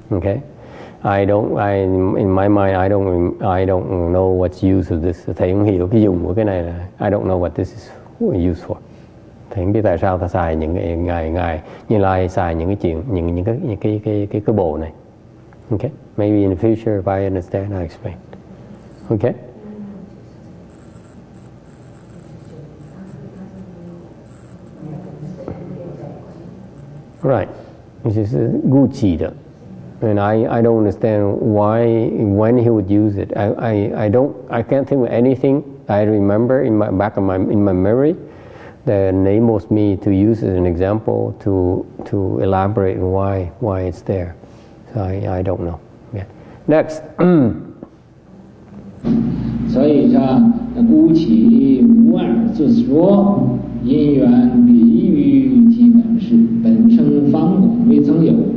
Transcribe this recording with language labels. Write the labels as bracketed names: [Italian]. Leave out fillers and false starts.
[English] Okay, I don't know what's use of this. [Vietnamese] Thầy không hiểu cái dùng của cái này là, [English] I don't know what this is used for. [Vietnamese] Thầy không biết tại sao ta xài những ngày như lai xài những cái chuyện những cái bộ này. [English] Okay, maybe in the future if I understand I explain. Okay. Right, which is Gu Qi. And I don't understand why, when he would use it. I can't think of anything I remember in my back of my memory enables me to use as an example to elaborate why it's there. So I don't know. Yeah. Next. [Chinese] 所以呢，姑且无二自说，因缘比喻即本事，本生方广未曾有。